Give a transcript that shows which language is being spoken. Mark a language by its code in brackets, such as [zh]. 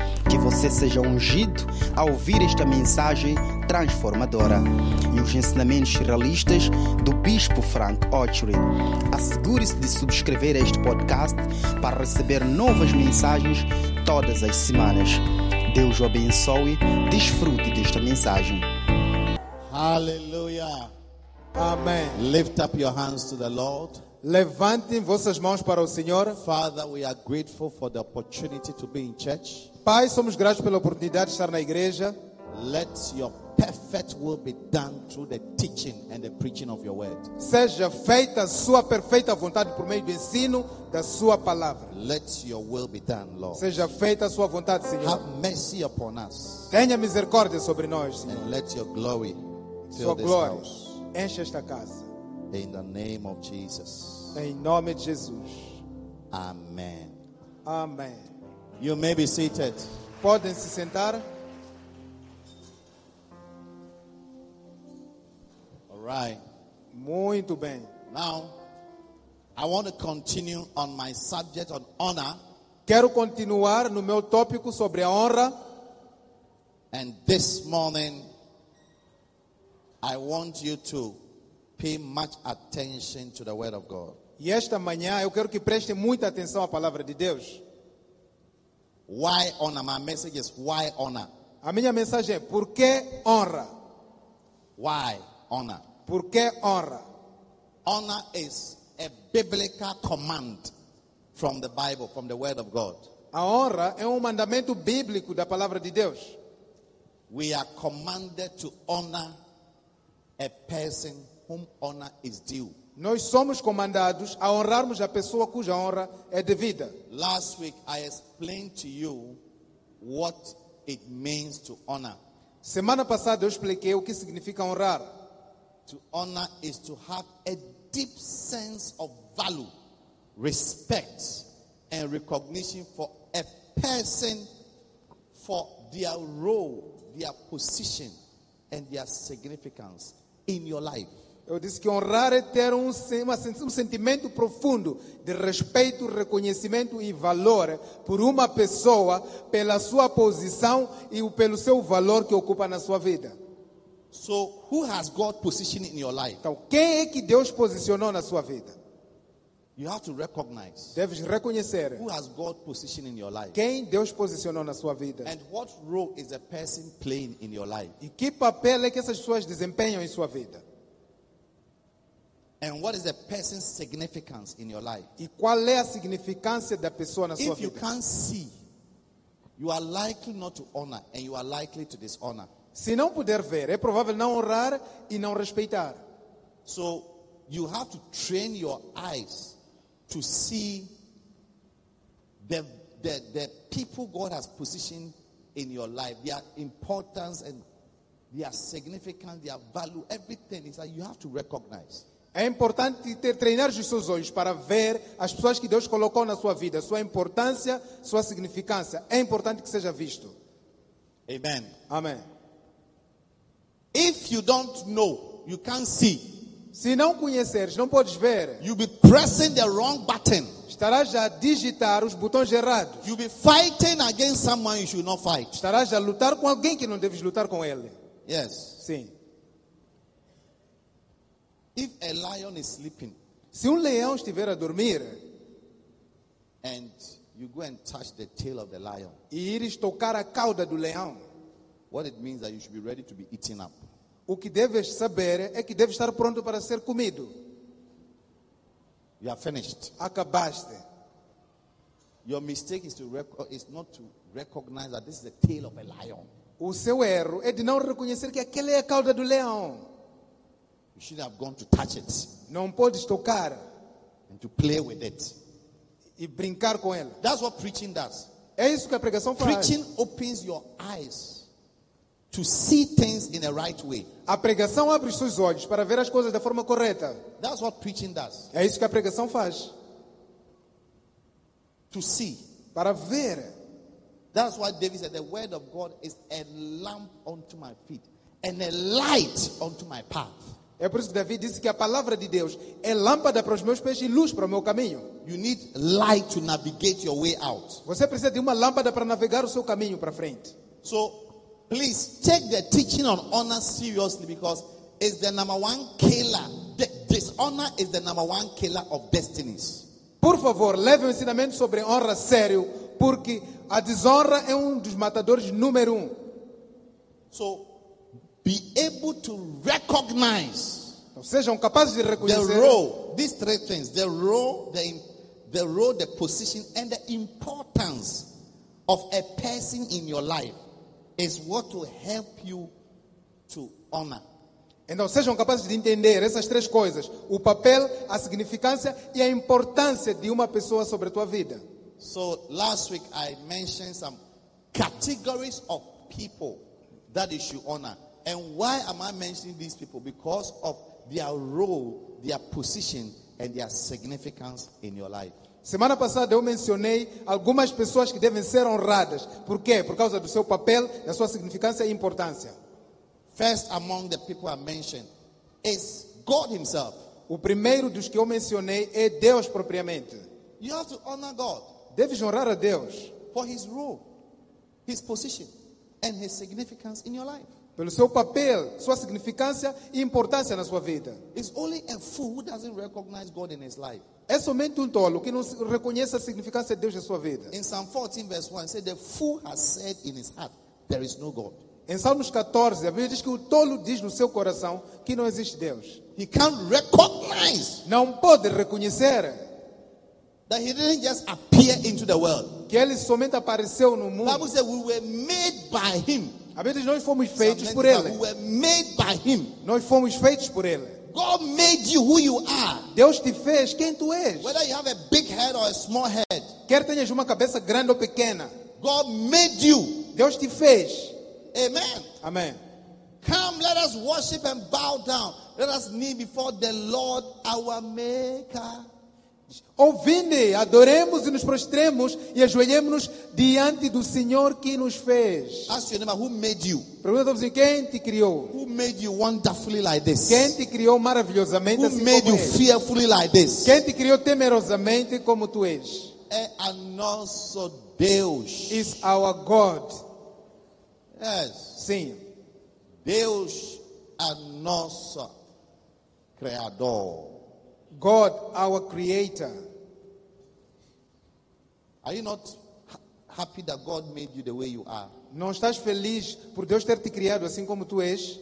[pt] Que você seja ungido a ouvir esta mensagem transformadora e os ensinamentos realistas do Bispo Frank Ochoa. Assegure-se de subscrever este podcast para receber novas mensagens todas as semanas. Deus o abençoe. Desfrute desta mensagem. Aleluia. Amém. [en] Lift up your hands to the Lord. [pt] Levantem vossas mãos para o Senhor. [en] Father, we are grateful for the opportunity to be in church. [pt] Pai, somos gratos pela oportunidade de estar na igreja. [en] Let your perfect will be done through the teaching and the preaching of your word. [pt] Seja feita a sua perfeita vontade por meio do ensino da sua palavra. [en] Let your will be done, Lord. [pt] Seja feita a sua vontade, Senhor. [en] Have mercy upon us. [pt] Tenha misericórdia sobre nós, Senhor. [en] And let your glory fill [pt] sua glória [en] this house. [pt] Enche esta casa. [en] In the name of Jesus. [pt] Em nome de Jesus. [en] Amen. [pt] Amen. [en] You may be seated. [pt] Podem se sentar. [en] All right. [pt] Muito bem. [en] Now, I want to continue on my subject on honor. [pt] Quero continuar no meu tópico sobre a honra. [en] And this morning, I want you to pay much attention to the word of God. [pt] E esta manhã eu quero que prestem muita atenção à palavra de Deus. [en] Why honor? My message is why honor. [pt] A minha mensagem é por que honra? [en] Why honor? [pt] Por que honra? [en] Honor is a biblical command from the Bible, from the word of God. [pt] A honra é um mandamento bíblico da palavra de Deus. [en] We are commanded to honor a person whom honor is due. [pt] Nós somos comandados a honrarmos a pessoa cuja honra é devida. [en] Last week I explained to you what it means to honor. [pt] Semana passada eu expliquei o que significa honrar. [en] To honor is to have a deep sense of value, respect and recognition for a person for their role, their position and their significance in your life. [pt] Eu disse que honrar é ter um sentimento profundo de respeito, reconhecimento e valor por uma pessoa, pela sua posição e pelo seu valor que ocupa na sua vida. [en] So, who has God positioned in your life? [pt] Então, quem é que Deus posicionou na sua vida? [en] You have to recognize. [pt] Deves reconhecer. [en] Who has God positioned in your life? [pt] Quem Deus posicionou na sua vida? [en] And what role is a person playing in your life? [pt] E que papel é que essas pessoas desempenham em sua vida? [en] And what is the person's significance in your life? [pt] E qual é a significância da pessoa na sua vida? [en] If you can't see, you are likely not to honor and you are likely to dishonor. [pt] Se não puder ver, é provável não honrar e não respeitar. [en] So, you have to train your eyes to see the people God has positioned in your life, their importance and their significance, their value, everything is that you have to recognize. [pt] É importante treinar os seus olhos para ver as pessoas que Deus colocou na sua vida, sua importância, sua significância. É importante que seja visto. [en] Amen. [pt] Amém. [en] If you don't know, you can't see. [pt] Se não conheceres, não podes ver. [en] You'll be pressing the wrong button. [pt] Estarás a digitar os botões errados. [en] You'll be fighting against someone you should not fight. [pt] Estarás a lutar com alguém que não deves lutar com ele. [en] Yes. [pt] Sim. [en] If a lion is sleeping, [pt] se leão estiver a dormir, [en] and you go and touch the tail of the lion, [pt] e ires tocar a cauda do leão, [en] what it means that you should be ready to be eaten up. [pt] O que deves saber é que deves estar pronto para ser comido. [en] You are finished. [pt] Acabaste. [en] Your mistake is not to recognize that this is the tail of a lion. [pt] O seu erro é de não reconhecer que aquela é a cauda do leão. [en] You should have gone to touch it. [pt] Não podes tocar. [en] And to play with it. [pt] E brincar com ela. [en] That's what preaching does. [pt] É isso que a pregação faz. [en] Preaching opens your eyes to see things in the right way. [pt] A pregação abre os seus olhos para ver as coisas da forma correta. [en] That's what preaching does. [pt] É isso que a pregação faz. [en] To see. [pt] Para ver. [en] That's why David said, the word of God is a lamp unto my feet and a light unto my path. [pt] É por isso que Davi disse que a palavra de Deus é lâmpada para os meus pés e luz para o meu caminho. [en] You need light to navigate your way out. [pt] Você precisa de uma lâmpada para navegar o seu caminho para frente. [en] So, please take the teaching on honor seriously because it's the number one killer. Dishonor is the number one killer of destinies. [pt] Por favor, leve o ensinamento sobre honra sério, porque a desonra é um dos matadores número um. [en] So, be able to recognize. [pt] Ou sejam capazes de reconhecer. [en] The role, these three things: the role, the position, and the importance of a person in your life is what will help you to honor. [pt] Então, sejam capazes de entender essas três coisas: o papel, a significância e a importância de uma pessoa sobre a tua vida. [en] So, last week I mentioned some categories of people that you should honor. And why am I mentioning these people? Because of their role, their position, and their significance in your life. [pt] Semana passada eu mencionei algumas pessoas que devem ser honradas. Por quê? Por causa do seu papel, da sua significância e importância. [en] First among the people I mentioned is God himself. [pt] O primeiro dos que eu mencionei é Deus propriamente. [en] You have to honor God. [pt] Deves honrar a Deus [en] for his role, his position, and his significance in your life. [pt] Pelo seu papel, sua significância e importância na sua vida. [en] It's only a fool who doesn't recognize God in his life. [pt] É somente tolo que não reconhece a significância de Deus na sua vida. [en] In Psalm 14 verse 1 it said the fool has said in his heart there is no God. [pt] Em Salmos 14, a Bíblia diz que o tolo diz no seu coração que não existe Deus. [en] He can't recognize. [pt] Não pode reconhecer. [en] That he didn't just appear into the world. [pt] Que ele somente apareceu no mundo. [en] The Bible says we were made by him. [pt] A Bíblia diz nós fomos feitos por ele. [en] We were made by him. [pt] Nós fomos feitos por ele. [en] God made you who you are. [pt] Deus te fez quem tu és. [en] Whether you have a big head or a small head. [pt] Quer tenhas uma cabeça grande ou pequena. [en] God made you. [pt] Deus te fez. [en] Amen. [pt] Amen. [en] Come, let us worship and bow down. Let us kneel before the Lord our Maker. [pt] Ouvinde, adoremos e nos prostremos e ajoelhemos-nos diante do Senhor que nos fez. [en] Ask your neighbor, who made you? [pt] Pergunta-vos quem te criou? [en] Who made you wonderfully like this? [pt] Quem te criou maravilhosamente [en] who [pt] assim [en] made [pt] como [en] you é? Fearfully like this? [pt] Quem te criou temerosamente como tu és? É a nosso Deus. [en] Is our God. Yes. [pt] Sim. Deus é nosso Criador. [en] God, our Creator. Are you not happy that God made you the way you are? [pt] Não estás feliz por Deus ter te criado assim como tu és?